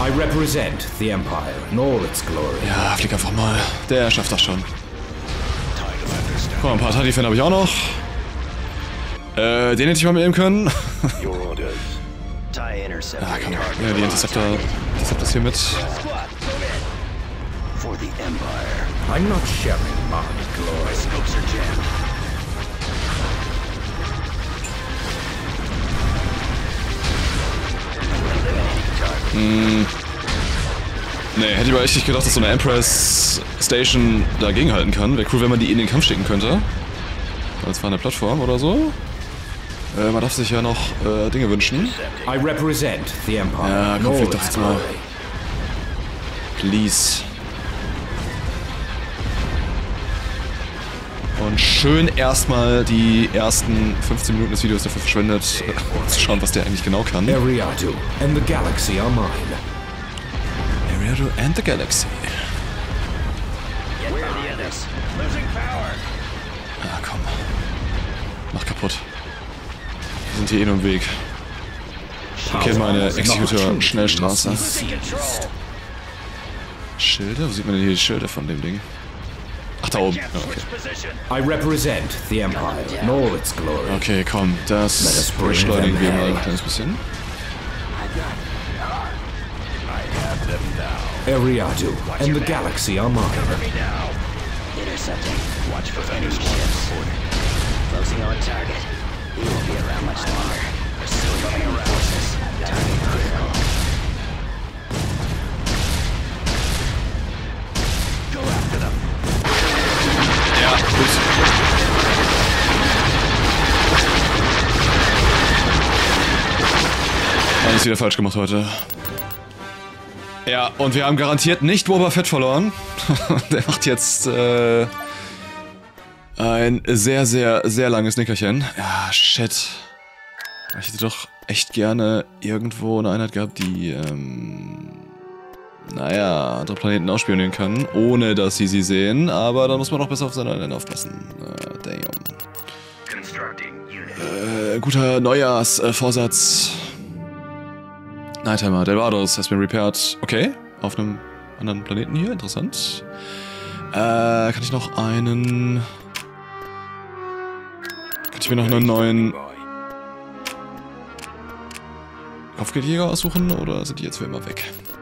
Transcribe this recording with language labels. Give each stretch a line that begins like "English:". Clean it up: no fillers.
English: I represent the Empire, nor its glory.
German: Ja, flieg einfach mal. Der schafft das schon. Guck mal, ein paar Tidefan habe ich auch noch. Den hätte ich mal mitnehmen können. Ja, komm. Ja, die Interceptor. Ich hab das hier mit.
English: For the Empire. I'm not sharing my glory. Scopes are jammed.
German: Nee, hätte ich aber echt nicht gedacht, dass so eine Empress Station dagegen halten kann. Wäre cool, wenn man die in den Kampf schicken könnte. Als war eine Plattform oder so. Man darf sich ja noch Dinge wünschen.
English: I represent the Empire.
German: Ja, komm, flieg doch jetzt mal.
English: Please.
German: Und schön erstmal die ersten 15 Minuten des Videos dafür verschwendet, zu schauen, was der eigentlich genau kann.
English: Ariadu and the Galaxy are mine. Ariadu and the Galaxy. Where are the others? Losing power.
German: Ah, komm. Mach kaputt. Wir sind hier eh nur im Weg. Okay, meine Exekutor-Schnellstraße. Schilde? Wo sieht man denn hier die Schilde von dem Ding? Ach, da oben. Okay.
English: I represent the Empire, nor its glory.
German: Okay, komm, das beschleunigen wir mal ein kleines bisschen.
English: Ariadu and the Galaxy are mine. Intercepting. Watch for any ships. Closing on target. We won't be around much longer.
German: alles wieder falsch gemacht heute. Ja, und wir haben garantiert nicht Boba Fett verloren. Der macht jetzt ein sehr, sehr, sehr langes Nickerchen. Ja, shit. Ich hätte doch echt gerne irgendwo eine Einheit gehabt, die, naja, andere Planeten ausspionieren kann, ohne dass sie sie sehen. Aber dann muss man auch besser auf seine Einheiten aufpassen. Damn. Guter Neujahrsvorsatz.
English: Nighthammer, Delvados has been repaired.
German: Okay, auf einem anderen Planeten hier, interessant. Kann ich noch einen... Kann ich mir noch einen neuen... Kopfgeldjäger aussuchen, oder sind die jetzt für immer weg?